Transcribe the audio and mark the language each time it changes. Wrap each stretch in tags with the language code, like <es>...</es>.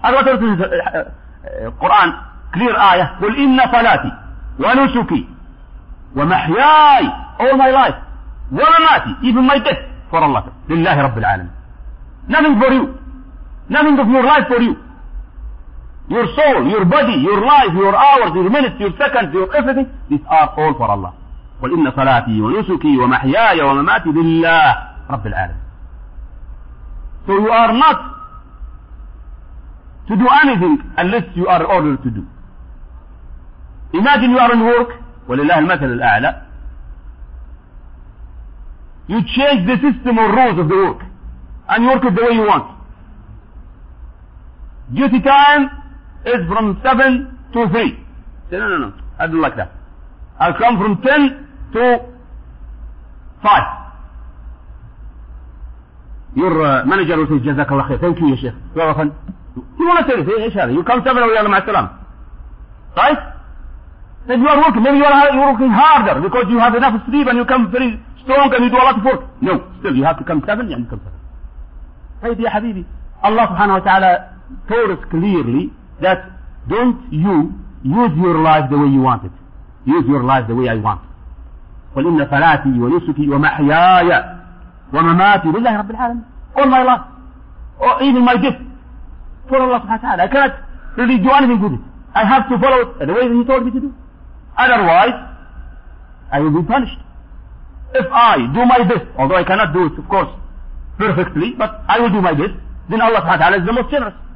<en>As what is the Quran, clear ayah,</en> <ar>قُلْ إِنَّ صَلَاتِي وَنُسُكِي وَمَحْيَايِ</ar> <en>all my life,</en> <ar>وَمَمَاتِي</ar> <en>even my death, for Allah,</en> <ar>لِلَّهِ رَبِّ الْعَالَمِ.</ar> <en>Nothing for you, nothing of your life for you. Your soul, your body, your life, your hours, your minutes, your seconds, your everything, these are all for Allah.</en> <ar>قل إن صلاتي ونسكي ومحياي ومماتي لله رب العالمين.</ar> <en>So you are not to do anything unless you are ordered to do. Imagine you are in work,</en> <ar>ولله المثل الأعلى.</ar> <en>You change the system or rules of the work and you work it the way you want. Duty time is from 7 to 3. Say, no, I do like that. I'll come from 10 to 5. Your manager will say, Jazakallah khair. Thank you, Sheikh. You are a friend. You want to say this? You come 7 or 11 a.m. Right? Then you are working. Maybe you are working harder because you have enough sleep and you come very strong and you do a lot of work. No. Still, you have to come 7 and you come 7. Hey, dear Habibi, Allah subhanahu wa ta'ala told us clearly that don't you use your life the way you want it. Use your life the way I want.</en> <ar>قل إن صلاتي ونسكي ومحياي ومماتي لله رب العالمين.</ar> <en>All my life, or even my death, for Allah subhanahu wa ta'ala. I cannot really do anything with it. I have to follow the way that He told me to do. Otherwise, I will be punished. If I do my best, although I cannot do it, of course, perfectly, but I will do my best, then Allah subhanahu wa ta'ala is the most generous.</en>